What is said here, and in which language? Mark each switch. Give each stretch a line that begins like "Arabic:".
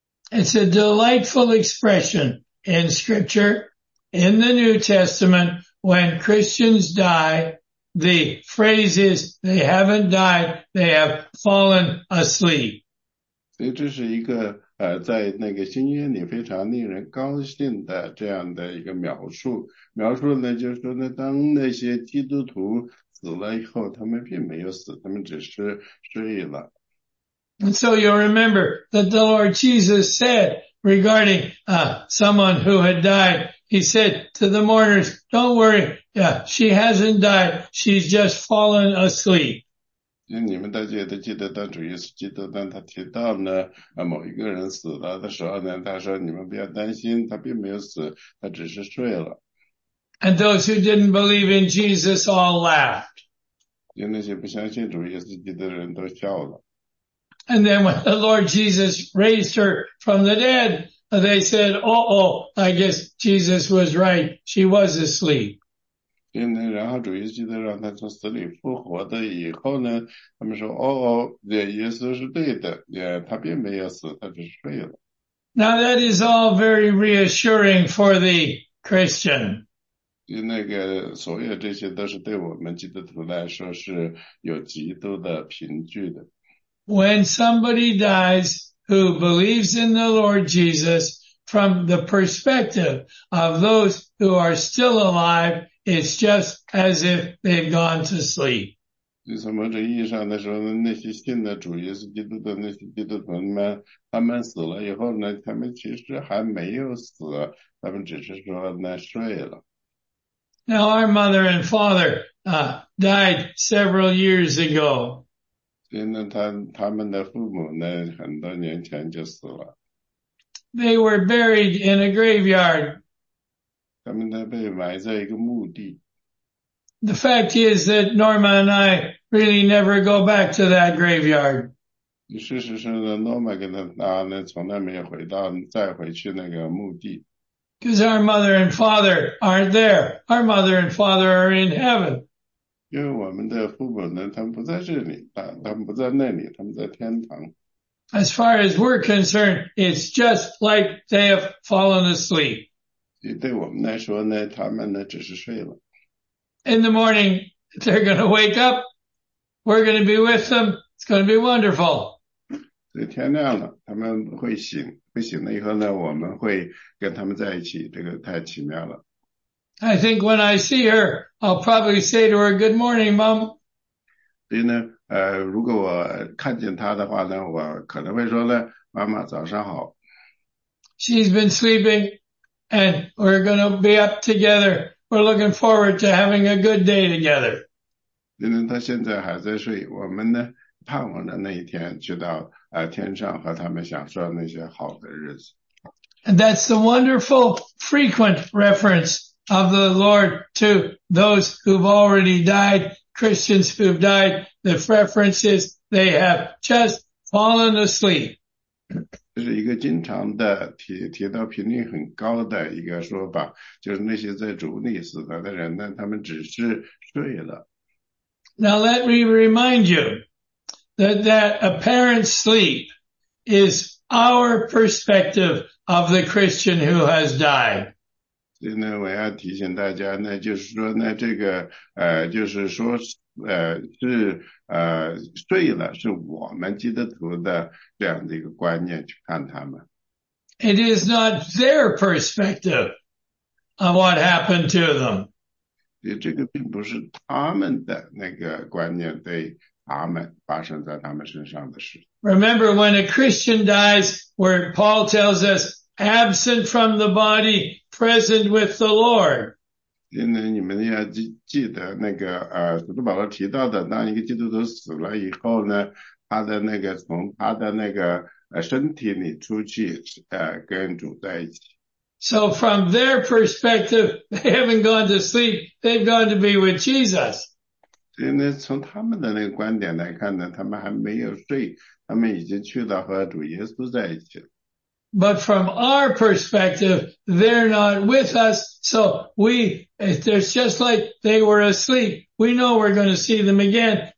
English: It's a delightful expression in Scripture, in the New Testament,When Christians die, the phrase is, they haven't died, they have fallen asleep.
Chinese: 所以这是一个在那个新约里非常令人高兴的这样的一个描述。描述呢就是说呢当那些基督徒死了以后他们并没有死他们只是睡了。
English: And so you'll remember that the Lord Jesus said regarding, someone who had died,He said to the mourners, don't worry, yeah, she hasn't died, she's just fallen asleep.
Chinese: 你们大家都记得当主耶稣基督当他提到呢某一个人死了的时候呢他说你们不要担心他并没有死他只是睡了。
English: And those who didn't believe in Jesus all laughed.
Chinese: 就那些不相信主耶稣基督的人都笑了。
English: And then when the Lord Jesus raised her from the dead,They said, I guess Jesus was right. She was asleep.
Chinese: 因为然后主耶稣基督让他从死里复活的以后呢，他们说：“哦，耶稣是对的，他并没有死，他只是睡了。
English: Now that is all very reassuring for the Christian.
Chinese: ”就那个，所有这些都是对我们基督徒来说是有极度的凭据的。
English: When somebody dies who believes in the Lord Jesus from the perspective of those who are still alive, it's just as if they've gone to sleep.
Chinese: 就从某种意义上来说呢，那些信的主耶稣基督的那些基督徒们，他们死了以后呢，他们其实还没有死，他们只是说那睡了。
English: Now, our mother and father, died several years ago.
Chinese: 所以呢，他们的父母呢，很多年前就死了，
English: They were buried in a graveyard.
Chinese: 他们呢被埋在一个墓地。
English: The fact is that Norma and I really never go back to that graveyard.
Chinese: 事实上呢，诺曼跟他啊，那从来没有回到，再回去那个墓地。
English: Because our mother and father aren't there. Our mother and father are in heaven.
Chinese: 因为我们的父母呢，他们不在这里，他们不在那里，他们在天堂。
English: As far as we're concerned, it's just like they have fallen asleep.
Chinese: 也对我们来说呢，他们呢，只是睡了。
English: In the morning, they're going to wake up. We're going to be with them. It's going to be wonderful.
Chinese: 这天亮了，他们会醒，会醒了以后呢，我们会跟他们在一起，这个太奇妙了。
English: I think when I see her, I'll probably say to her, "Good morning, Mom."
Chinese: 所以呢，如果我看见他的话呢，我可能会说呢，妈妈，早上好。
English: She's been sleeping, and we're gonna be up together. We're looking forward to having a good day together.
Chinese: 因为他现在还在睡，我们呢。盼望着那一天去到天上和他们享受那些好的日子。
English: And that's the wonderful frequent reference of the Lord to those who've already died, Christians who've died, the references they have just fallen asleep.
Chinese: 这是一个经常的提到频率很高的一个说法，就是那些在主里死了的人呢，他们只是睡了。
English: Now let me remind you that apparent sleep is our perspective of the Christian who has died.
Chinese: 所以呢，我要提醒大家呢，就是说呢，这个就是说，是睡了，是我们基督徒的这样的一个观念去看他们。
English: It is not their perspective of what happened to them.
Chinese: 所以这个并不是他们的那个观念，对他们发生在他们身上的事。
English: Remember when a Christian dies, where Paul tells us, absent from the body, present with the Lord.
Chinese: 因为你们要记得那个使徒保罗提到的，当一个基督徒死了以后呢，他的那个从他的那个身体里出去，跟主在一起。
English: So from their perspective, they haven't gone to sleep, they've gone to be with Jesus.
Chinese: 所以呢，从他们的那个观点来看呢，他们还没有睡，他们已经去到和主耶稣在一起了。
English: But from our perspective, they're not with us, so it's just like they were asleep. We know we're going to see them again.